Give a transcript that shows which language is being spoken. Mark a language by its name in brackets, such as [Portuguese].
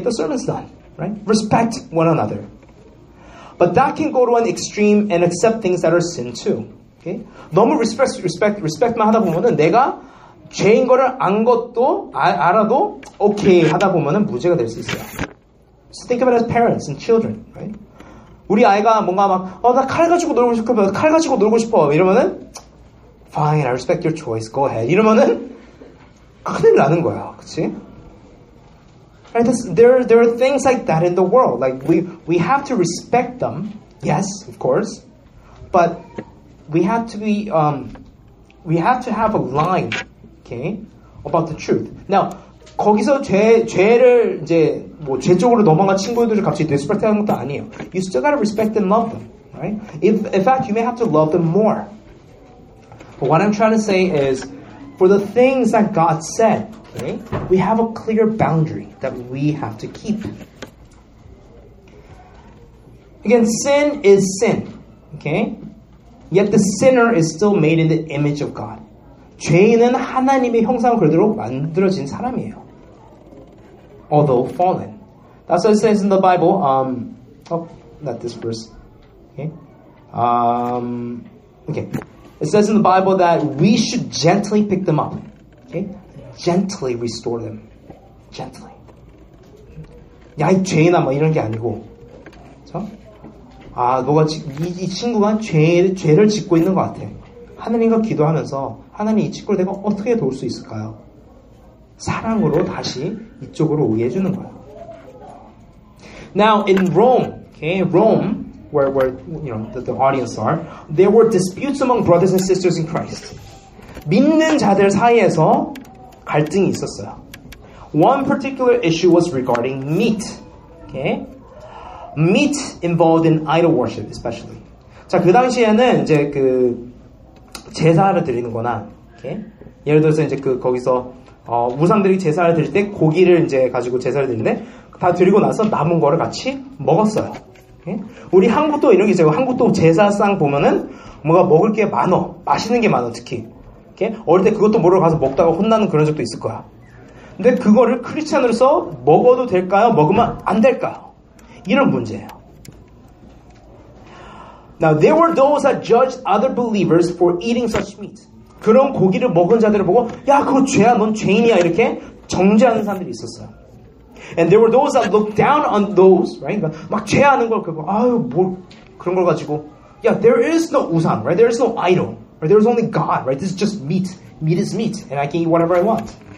[English] The sermon's done, right? Respect one another. But that can go to an extreme and accept things that are sin too, okay? [Korean] 너무 respect만 하다 보면은 내가 죄인 거를 안 것도 알아도 okay 하다 보면은 무죄가 될 수 있어요. [English] So think of it as parents and children, right? [Korean] 우리 아이가 뭔가 막, 어, 나 칼 가지고 놀고 싶어, 칼 가지고 놀고 싶어. 이러면은, [English] fine, I respect your choice, go ahead. [Korean] 이러면은, 큰일 나는 거야, 그치? [English] Right, there are things like that in the world. Like, we have to respect them, yes, of course, but we have to have a line, okay, about the truth. Now, [Korean] 거기서 죄를 이제, 뭐, 죄 쪽으로 넘어간 친구들을 갑자기 respect 하는 것도 아니에요. [English] You still gotta respect and love them, right? In fact, you may have to love them more. But what I'm trying to say is, for the things that God said, okay, we have a clear boundary that we have to keep. Again, sin is sin, okay? Yet the sinner is still made in the image of God. [Korean] 죄인은 하나님의 형상 그대로 만들어진 사람이에요. [English] Although fallen. That's what it says in the Bible. Oh, not this verse. Okay. Okay. It says in the Bible that we should gently pick them up. Okay? Gently restore them. Gently. [Korean] 야, 이 죄인아 뭐 이런 게 아니고. 그쵸? 아, 너가 이 친구가 죄를 짓고 있는 것 같아. 하느님과 기도하면서 하나님 이 친구를 내가 어떻게 도울 수 있을까요? 사랑으로 다시 이쪽으로 오게 해주는 거야. [English] Now in Rome, okay, Rome, where you know the audience are, there were disputes among brothers and sisters in Christ. [Korean] 믿는 자들 사이에서 갈등이 있었어요. [English] One particular issue was regarding meat. Okay, meat involved in idol worship, especially. [Korean] 자, 그 당시에는 이제 그 제사를 드리는거나, okay? 예를 들어서 이제 그 거기서 우상들이 제사를 드릴 때 고기를 이제 가지고 제사를 드리는데 다 드리고 나서 남은 거를 같이 먹었어요. 예? 우리 한국도 이런 게 있어요. 한국도 제사상 보면은 뭔가 먹을 게 많어. 맛있는 게 많어, 특히. 예? 어릴 때 그것도 모르고 가서 먹다가 혼나는 그런 적도 있을 거야. 근데 그거를 크리스찬으로서 먹어도 될까요? 먹으면 안 될까요? 이런 문제예요. [English] Now, there were those that judged other believers for eating such meat. [Korean] 그런 고기를 먹은 자들을 보고, 야, 그거 죄야, 넌 죄인이야, 이렇게 정죄하는 사람들이 있었어요. [English] And there were those that looked down on those, right? [Korean] 막 죄하는 걸 그거, 아유, 뭘 그런 걸 가지고, [English] yeah, there is no [Korean] 우상, right? [English] There is no idol, right? There is only God, right? This is just meat. Meat is meat, and I can eat whatever I want.